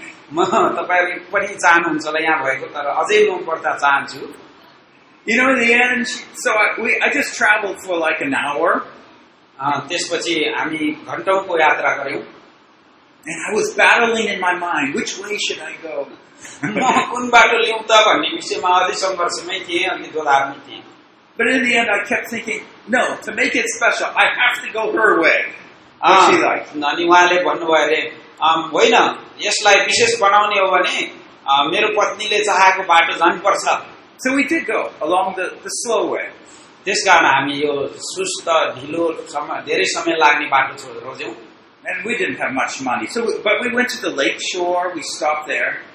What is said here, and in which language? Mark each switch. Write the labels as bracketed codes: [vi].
[ne] म तपाईँहरू पनि चाहनुहुन्छ होला यहाँ भएको, तर अझै म पर्दा चाहन्छु. [en] You know, in the end, so I just traveled for like an hour. [ne] त्यसपछि हामी घन्टौँको यात्रा गऱ्यौँ. [en] And I was battling in my mind, which way should I go? [ne] म कुन बाटो लिउँ त भन्ने विषयमा अझै सङ्घर्षमै थिएँ, अनि दोलामै थिएँ. [en] But in the end, I kept thinking, no, to make it special, I have to go her way. She liked. [ne] अनि उहाँले भन्नुभयो अरे, होइन यसलाई विशेष बनाउने हो भने मेरो पत्नीले चाहेको बाटो जानुपर्छ. [en] So we did go along the slow way. [ne] त्यस कारण हामी यो सुस्त ढिलो समय धेरै समय लाग्ने बाटो छोड्यौँ. [en] And we didn't have much money. So but we went to the lake shore, we stopped there.